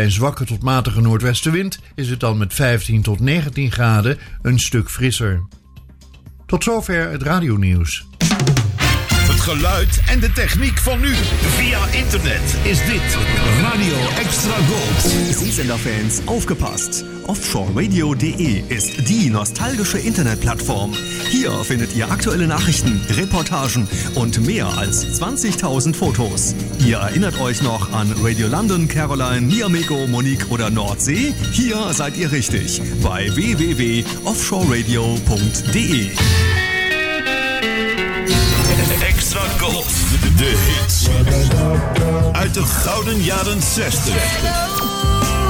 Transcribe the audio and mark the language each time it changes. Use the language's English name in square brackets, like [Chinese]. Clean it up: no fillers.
[Dutch] Bij zwakke tot matige noordwestenwind is het dan met 15 tot 19 graden een stuk frisser. Tot zover het radionieuws. Het geluid en de techniek van nu. Via internet is dit Radio Extra Gold. [German] Sie sind der Fans aufgepasst. Offshoreradio.de ist die nostalgische Internetplattform. Hier findet ihr aktuelle Nachrichten, Reportagen und mehr als 20.000 Fotos. Ihr erinnert euch noch an Radio London, Caroline, Niamego, Monique oder Nordsee? Hier seid ihr richtig bei www.offshoreradio.de. [Dutch] Extra Gold, de hits uit de gouden jaren 60.